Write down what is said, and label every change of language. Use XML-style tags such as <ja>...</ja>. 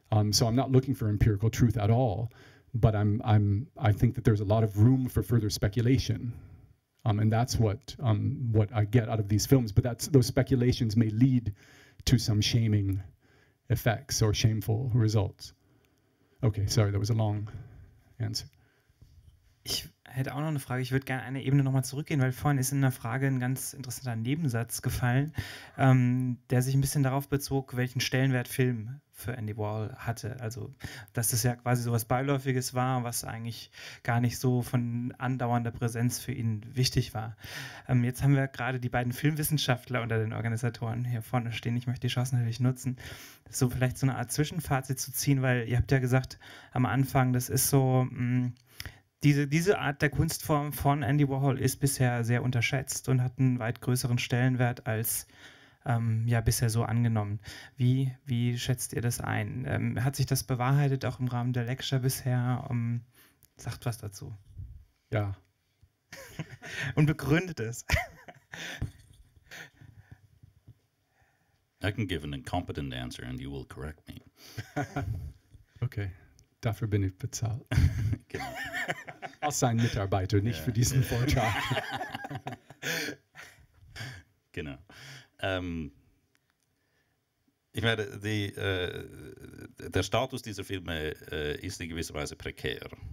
<en>So I'm not looking for empirical truth at all, but I think that there's a lot of room for further speculation, and that's what I get out of these films. But those speculations may lead to some shaming effects or shameful results. Okay, sorry, that was a long answer.</en> <de>Ich hätte auch noch eine Frage. Ich würde gerne eine Ebene nochmal zurückgehen, weil vorhin ist in der Frage ein ganz interessanter Nebensatz gefallen, der sich ein bisschen darauf bezog, welchen Stellenwert Film für Andy Warhol hatte. Also, dass das ja quasi so was Beiläufiges war, was eigentlich gar nicht so von andauernder Präsenz für ihn wichtig war. Jetzt haben wir gerade die beiden Filmwissenschaftler unter den Organisatoren hier vorne stehen. Ich möchte die Chance natürlich nutzen, so vielleicht so eine Art Zwischenfazit zu ziehen, weil ihr habt ja gesagt am Anfang, das ist so, diese Art der Kunstform von Andy Warhol ist bisher sehr unterschätzt und hat einen weit größeren Stellenwert als bisher so angenommen. Wie schätzt ihr das ein? Hat sich das bewahrheitet, auch im Rahmen der Lecture bisher? Sagt was dazu. Ja. Und begründet es.</de> <en>I can give an incompetent answer and you will correct me.</en> <de>Okay, dafür bin ich bezahlt. Genau. Aus seinen Mitarbeiter, nicht für diesen Vortrag. Genau. Ich meine, der Status dieser Filme ist in gewisser Weise prekär.</de>